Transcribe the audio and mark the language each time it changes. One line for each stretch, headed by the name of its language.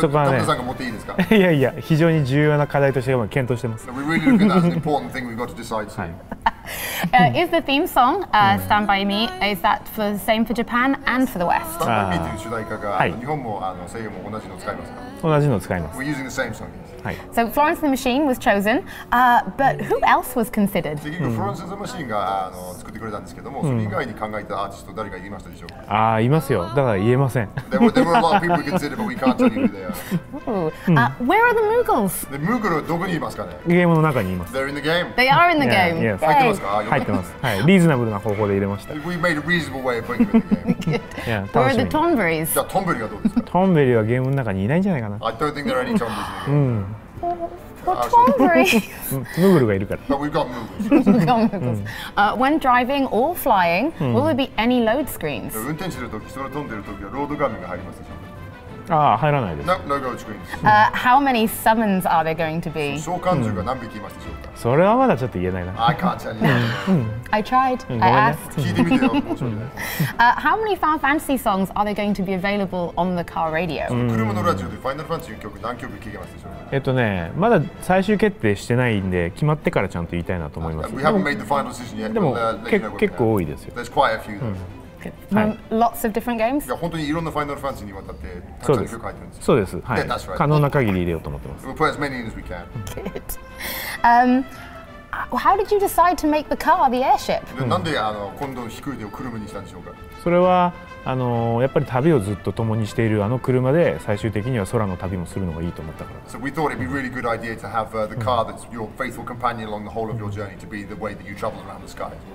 Japanese: そこはね、タッタさんが持っていいですか？いやいや、非常に重要な課題としても検討してます。
English: We really look at that as an important thing we've got to decide soon. Is the theme song, Stand By Me, is that the same for Japan and for the West?
Japanese: Stand By Me という主題歌が、日本も声優も同じのを使いますか？同じのを使います。
English: We're using the same song, yes. So Florence and the Machine was chosen, but who else was considered?
Japanese: 結局、Florence and the Machine が作ってくれたんですけども、それ以外に考えたアーティスト誰かいましたでしょうか？ああ、いますよ。だから言えません。
English: Where are the Moogles?
Japanese: The Moogles どこにいますかね？ゲームの中にいます。
English: They're in the game. They are in the game. Yeah, yes.
Japanese: 入ってますか？入ってます。はい、リーズナブルな方法で入れました。
English: We made a reasonable way of putting them in the game. Yeah,
Japanese: 楽しみ。
English: Where are the Thornberrys?
Japanese: じゃあ、トンベリーはどうですか？トンベリーはゲームの中にいないんじゃないかな。
English: I don't think there are any Thornberrys.
Japanese: Moogle がいるから。
English: But we've got Moogles. When driving or flying, will there be any load screens?
Japanese: 運転してるとき、空飛んでるときはロード画面が入りますでしょうか？ああ、入らないです。
English: No load screens. How many summons are there going to be?
Japanese: 召喚獣が何匹いますでしょうか？それはまだちょっと言えないな。
English: I can't tell you. I tried. I asked.
Japanese: 聞いてみてよ。
English: How many Final Fantasy songs are there going to be available on the car radio?
Japanese: 車のラジオで Final Fantasy の曲何曲聞けますでしょうか？まだ最終決定してないんで決まってからちゃんと言いたいなと思います。
English: We haven't made the final decision yet.
Japanese: でも結構多いですよ。
English: There's quite a few. Lots of different games.
Japanese: いや本当にいろんなファイナルファンタジーにわたってたくさん曲入ってるんです。そうです。
English: はい。Yeah, that's right.
Japanese: 可能な限り入れようと思ってます。
English: We'll put as many in as we can. Good. How did you decide to make the car the airship?
Japanese: なんで今度飛行機を車にしたんでしょうか？それはやっぱり旅をずっと共にしているあの車で最終的には空の旅もするのがいいと思ったから。
English: So we thought it'd be a really good idea to have the car that's your faithful companion along the whole of your journey to be the way that you travel around the sky.